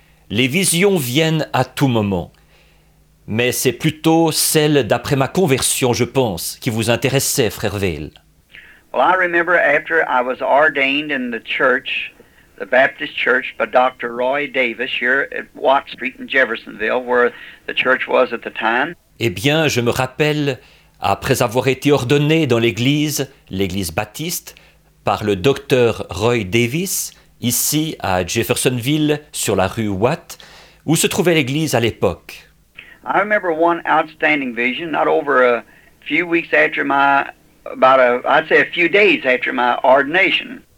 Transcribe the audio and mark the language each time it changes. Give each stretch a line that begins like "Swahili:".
French: Les visions viennent à tout moment. Mais c'est plutôt celle d'après ma conversion, je pense, qui vous intéressait, frère Vail.
English: Well, I remember after I was ordained in the church, the Baptist Church, by Dr. Roy Davis, here at Watt Street in Jeffersonville, where the church was at the time.
French: Eh bien, je me rappelle, après avoir été ordonné dans l'église baptiste, par le docteur Roy Davis, ici à Jeffersonville, sur la rue Watt, où se trouvait l'église à l'époque.
English: I remember one outstanding vision, not over a few weeks after my, a few days after my ordination.